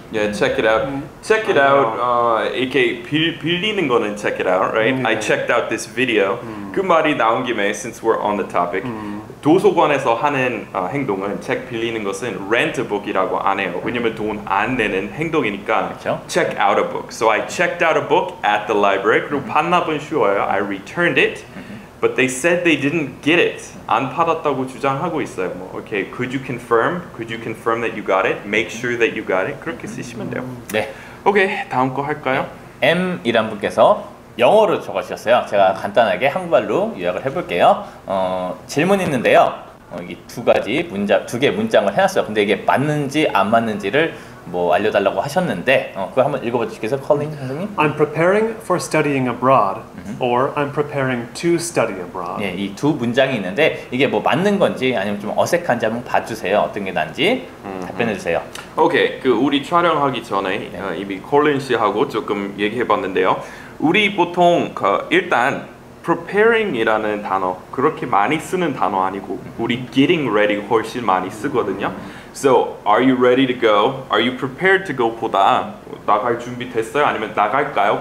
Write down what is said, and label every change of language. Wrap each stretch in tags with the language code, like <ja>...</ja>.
<en>Yeah, check it out. Check it out.</en> <ko>이렇게 빌리는 거는</ko> <en>check it out, right? Yeah. I checked out this video.</en> <ko>그 말이 나온 김에,</ko> <en>since we're on the topic,</en> <ko>도서관에서 하는 행동은 책 빌리는 것은 rent a book이라고 안 해요. 왜냐면 돈 안 내는 행동이니까 그렇죠?</ko> <en>check out a book. So I checked out a book at the library.</en> <ko>그리고 반납은 쉬워요.</ko> <en>I returned it. But they said they didn't get it.</en> <ko>안 받았다고 주장하고 있어요.</ko> <en>뭐, okay, could you confirm? Could you confirm that you got it? Make sure that you got it.</en> <ko>그렇게 쓰시면 돼요. 네. Okay, 다음 거 할까요? M이란 분께서 영어로 적어주셨어요. 제가 간단하게 한국말로 요약을 해볼게요. 질문 있는데요. 이 두 가지 문장, 두 개 문장을 해놨어요. 근데 이게 맞는지 안 맞는지를 뭐 알려달라고 하셨는데 그거 한번 읽어봐 주시겠어요? Colin 선생님?</ko> <en>I'm preparing for studying abroad or I'm preparing to study abroad.</en> <ko>네, 이 두 문장이 있는데 이게 뭐 맞는 건지 아니면 좀 어색한지 한번 봐주세요. 어떤 게 난지 답변해 주세요. 오케이, 그 우리 촬영하기 전에 네. 이미 Colin 씨하고 조금 얘기해 봤는데요. 우리 보통 그 일단 preparing이라는 단어 그렇게 많이 쓰는 단어 아니고 우리 getting ready 훨씬 많이 쓰거든요.</ko> <en>So, are you ready to go?</en> <ko>Are you prepared to go? 보다 나갈 준비 됐어요? 아니면 나갈까요?</ko>